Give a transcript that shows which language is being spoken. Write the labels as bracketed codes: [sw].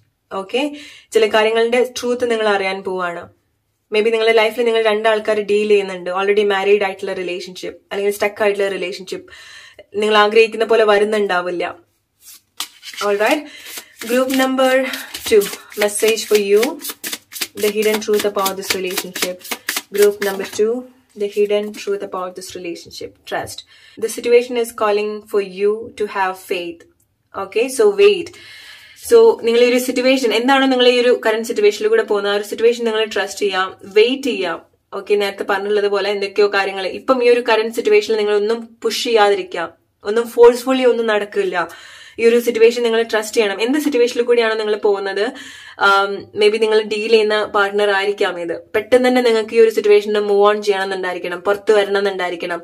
[ml] Okay, ചില കാര്യങ്ങളുടെ truth നിങ്ങൾ അറിയാൻ പോവാണ്. മേ ബി നിങ്ങളുടെ ലൈഫിൽ നിങ്ങൾ രണ്ടാൾക്കാർ ഡീൽ ചെയ്യുന്നുണ്ട്, ഓൾറെഡി മാരീഡ് ആയിട്ടുള്ള റിലേഷൻഷിപ്പ്, അല്ലെങ്കിൽ സ്റ്റക്ക് ആയിട്ടുള്ള റിലേഷൻഷിപ്പ്, നിങ്ങൾ ആഗ്രഹിക്കുന്ന പോലെ വരുന്നുണ്ടാവില്ല. [en] Alright, group number 2, message for you, the hidden truth about this relationship, group number 2, the hidden truth about this relationship, trust. The situation is calling for you to have faith. Okay, so wait. [ml] So നിങ്ങളെ ഒരു situation എന്താണോ നിങ്ങളെ ഈ ഒരു current സിറ്റുവേഷനിൽ കൂടെ പോകുന്ന ആ ഒരു സിറ്റുവേഷൻ നിങ്ങൾ ട്രസ്റ്റ് ചെയ്യാം, വെയിറ്റ് ചെയ്യാം. ഓക്കെ, നേരത്തെ പറഞ്ഞുള്ളതുപോലെ എന്തൊക്കെയോ കാര്യങ്ങൾ ഇപ്പം ഈ ഒരു കറന്റ് സിറ്റുവേഷനിൽ നിങ്ങൾ ഒന്നും പുഷ് ചെയ്യാതിരിക്കാം, ഒന്നും ഫോഴ്സ്ഫുള്ളി ഒന്നും നടക്കില്ല. ഈ ഒരു സിറ്റുവേഷൻ നിങ്ങൾ ട്രസ്റ്റ് ചെയ്യണം. എന്ത് സിറ്റുവേഷനിൽ കൂടിയാണോ നിങ്ങൾ പോകുന്നത്, മേ ബി നിങ്ങൾ ഡീൽ ചെയ്യുന്ന പാർട്ണർ ആയിരിക്കാം ഇത്, പെട്ടെന്ന് തന്നെ നിങ്ങൾക്ക് ഈ ഒരു സിറ്റുവേഷന് മൂവ് ഓൺ ചെയ്യണം എന്നുണ്ടായിരിക്കണം, പുറത്തു വരണം എന്നുണ്ടായിരിക്കണം.